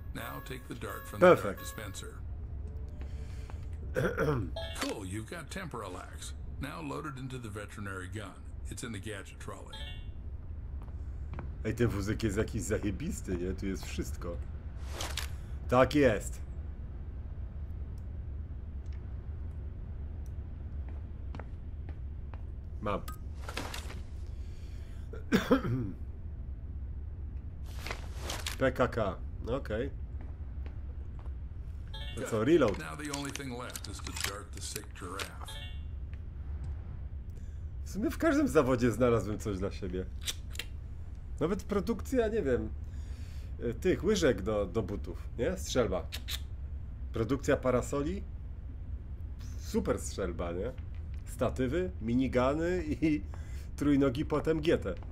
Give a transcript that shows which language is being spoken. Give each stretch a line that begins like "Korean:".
English: Now take the dart from the dart dispenser. Cool, you've got Temporalax. Now load it into the veterinary gun. It's in the gadget trolley.
Polish: Ej, ten wózek jest jakiś zajebisty, nie? Tu jest wszystko. Tak jest. Mam. PKK. Okej. Okay. To co, reload?
English: Now the only thing left is to dart the sick giraffe.
Polish: W sumie w każdym zawodzie znalazłem coś dla siebie. Nawet produkcja, nie wiem, tych łyżek do butów, nie? Strzelba. Produkcja parasoli. Super strzelba, nie? Statywy, minigany i trójnogi potem GT.